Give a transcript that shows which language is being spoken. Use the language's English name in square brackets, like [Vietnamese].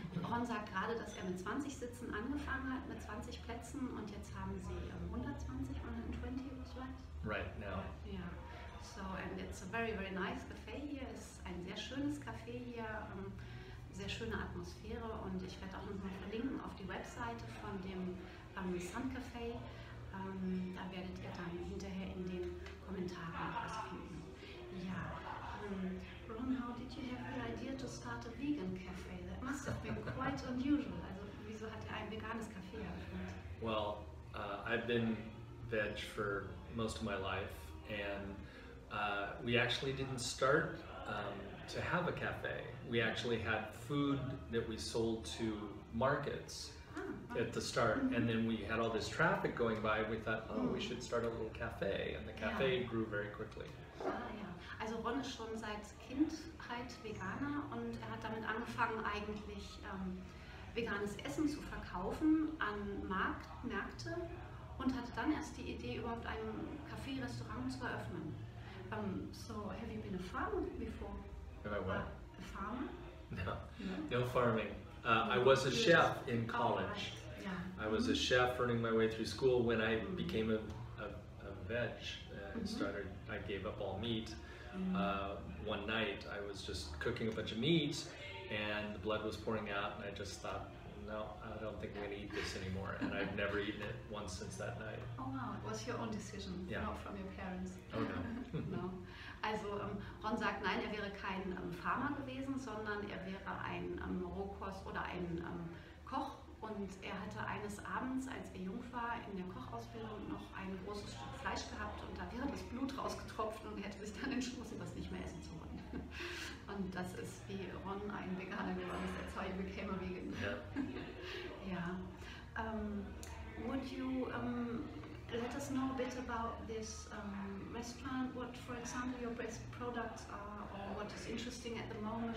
[German] Ron sagt gerade, dass er mit 20 Sitzen angefangen hat, mit 20 Plätzen, und jetzt haben sie 120, 120, was [English] right? Right now. Yeah. So, and it's a very, very nice cafe hier. [German] Es ist ein sehr schönes Café hier, sehr schöne Atmosphäre, und ich werde auch nochmal verlinken auf die Webseite von dem Sun Café. Da werdet ihr dann hinterher in den Kommentaren was finden. Ja. [English] Ron, how did you have the idea to start a vegan cafe? That must have been quite unusual. [German] Also, wieso hat er ein veganes Café eröffnet? [English] Well, I've been veg for most of my life, and we actually didn't start to have a cafe. We actually had food that we sold to markets at the start, and then we had all this traffic going by. We thought, oh, we should start a little cafe, and the cafe grew very quickly. [German] Also Ron ist schon seit Kindheit Veganer, und er hat damit angefangen, eigentlich veganes Essen zu verkaufen an Märkte, und hatte dann erst die Idee, überhaupt ein Café-Restaurant zu eröffnen. [English] So, have you been a farmer before? Have I what? A farmer? No, no farming. I was a chef in college. I was a chef earning my way through school. When I became a veg and started, I gave up all meat. One night I was just cooking a bunch of meat, and the blood was pouring out, and I just thought, no, I don't think I'm going to eat this anymore. And I've never eaten it once since that night. Oh wow, it was your own decision, not from your parents. Oh no. No. [German] Also Ron sagt, nein, er wäre kein Farmer gewesen, sondern er wäre ein Rohkost- oder ein Koch. Und er hatte eines Abends, als er jung war, in der Kochausbildung noch ein großes Stück Fleisch gehabt, und da wäre das Blut rausgetropft, und er hätte bis dann entschlossen, das nicht mehr essen zu wollen. Und das ist, wie Ron ein Veganer geworden ist. [English] That's how you became a vegan. Yeah. [German] Ja. [English] Would you let us know a bit about this restaurant? What, for example, your best products are, or what is interesting at the moment?